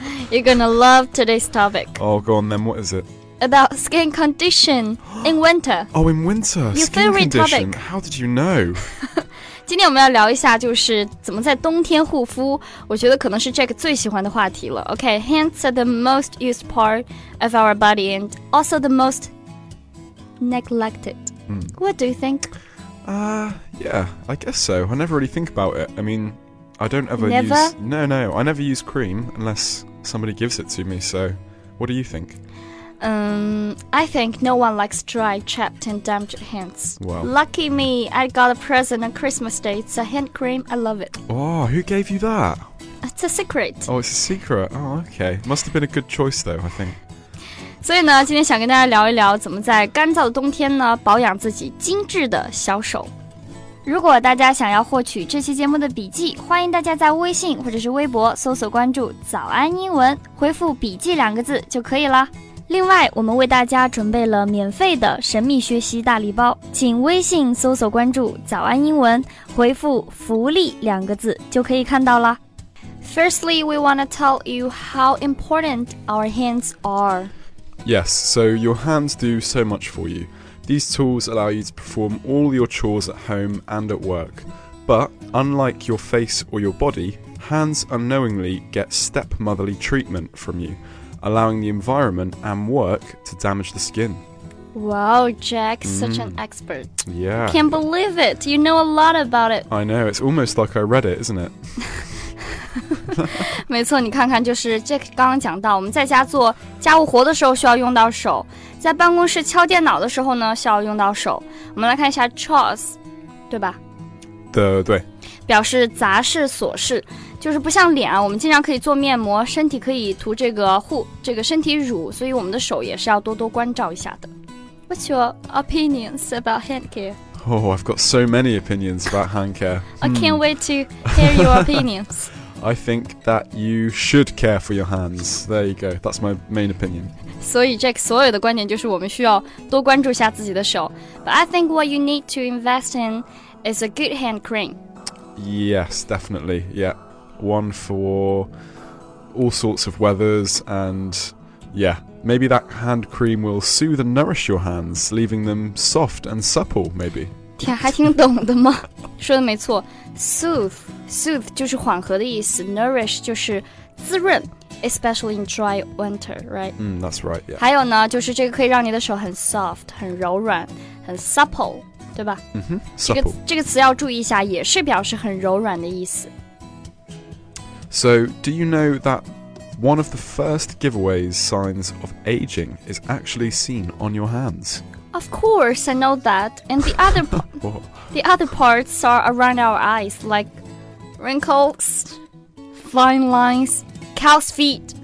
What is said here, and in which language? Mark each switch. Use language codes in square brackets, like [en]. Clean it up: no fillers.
[en] You're gonna love today's topic. Oh, go on then, what is it? About skin condition in winter. Oh, in winter, skin condition. How did you know? [zh] 今天我们要聊一下就是怎么在冬天护肤，我觉得可能是 Jack 最喜欢的话题了。 [en] Okay, hands are the most used part of our body and also the most neglected. What do you think? Yeah, I guess so. I never really think about it. I mean, I don't ever No, I never use cream unless somebody gives it to me. So, what do you think? I think no one likes dry, chapped and damaged hands. Well, lucky me, I got a present on Christmas Day. It's a hand cream. I love it. Oh, who gave you that? It's a secret. Oh, it's a secret. Oh, okay. Must have been a good choice, though, I think. [zh] 所以呢，今天想跟大家聊一聊怎么在干燥的冬天呢保养自己精致的小手。如果大家想要获取这期节目的笔记，欢迎大家在微信或者是微博搜索关注早安英文，回复笔记两个字就可以了。另外我们为大家准备了免费的神秘学习大礼包，请微信搜索关注早安英文，回复福利两个字就可以看到了。 [en] Firstly, we want to tell you how important our hands are Yes, so your hands do so much for you. These tools allow you to perform all your chores at home and at work. But unlike your face or your body, hands unknowingly get stepmotherly treatment from you, allowing the environment and work to damage the skin. Wow, Jack, such an expert. Yeah. Can't believe it. You know a lot about it. I know. It's almost like I read it, isn't it? [zh] 没错，你看看，就是 Jack 刚刚讲到，我们在家做家务活的时候需要用到手，在办公室敲电脑的时候呢需要用到手。我们来看一下 chores， 对吧？对，表示杂事琐事，就是不像脸啊，我们经常可以做面膜，身体可以涂这个身体乳，所以我们的手也是要多多关照一下的。 [en] What's your opinions about hand care? Oh, I've got so many opinions about hand care. I can't wait to hear your opinions. I think that you should care for your hands. There you go. That's my main opinion. [zh] 所以 Jack 所有的观点就是我们需要多关注一下自己的手。 [en] But I think what you need to invest in is a good hand cream. Yes, definitely. Yeah, one for all sorts of weathers and yeah. Maybe that hand cream will soothe and nourish your hands, leaving them soft and supple, maybe. [zh] 天，还听懂的吗？说的没错， soothe 就是缓和的意思， nourish 就是滋润， [en] especially in dry winter, right? That's right, yeah. [zh] 还有呢，就是这个可以让你的手很 soft, 很柔软，很 supple, 对吧？ [en] Supple. [zh] 这个词要注意一下，也是表示很柔软的意思。 [en] So, do you know that... One of the first giveaways signs of aging is actually seen on your hands. Of course, I know that. And the other, the other parts are around our eyes, like wrinkles, fine lines, cow's feet.